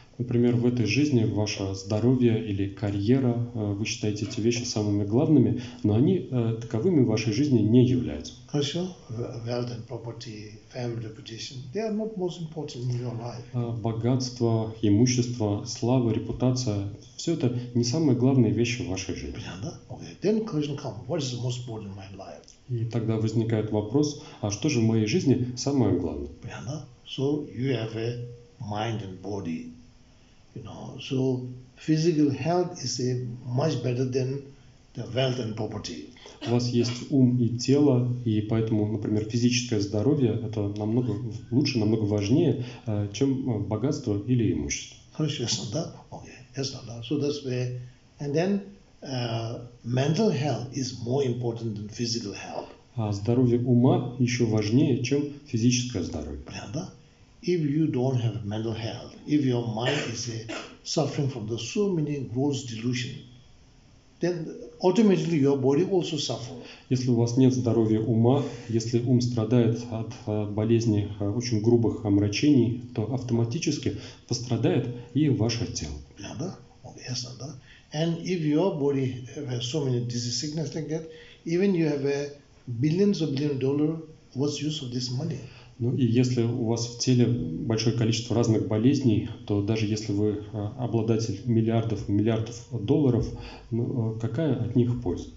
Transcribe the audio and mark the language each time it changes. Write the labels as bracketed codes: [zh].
[ru] Например, в этой жизни ваше здоровье или карьера, вы считаете эти вещи самыми главными, но они таковыми в вашей жизни не являются. Хорошо. [en] Wealth and property, family reputation, they are not most important in your life. [ru] Богатство, имущество, слава, репутация – все это не самые главные вещи в вашей жизни. Понятно? Okay. [en] Then question comes, what is the most important in my life? [ru] И тогда возникает вопрос, а что же в моей жизни самое главное? [en] Понятно? So you have a mind and body. You know, so physical health is a much better than the wealth and property. [ru] У вас есть ум и тело, и поэтому, например, физическое здоровье это намного лучше, намного важнее, чем богатство или имущество. Хорошо, ясно, да? Okay, ясно, да. [en] So that's where, and then mental health is more important than physical health. [ru] А здоровье ума еще важнее, чем физическое здоровье. Правда? [en] If you don't have mental health, if your mind is suffering from the so many gross delusion, then automatically your body also suffers. [ru] Если у вас нет здоровья ума, если ум страдает от болезней очень грубых омрачений, то автоматически пострадает и ваше тело. Правда? Ясно, да? [en] And if your body has so many disease sickness like that, even you have billions of billion dollar, what's use of this money? [ru] Ну и если у вас в теле большое количество разных болезней, то даже если вы обладатель миллиардов и миллиардов долларов, ну, какая от них польза?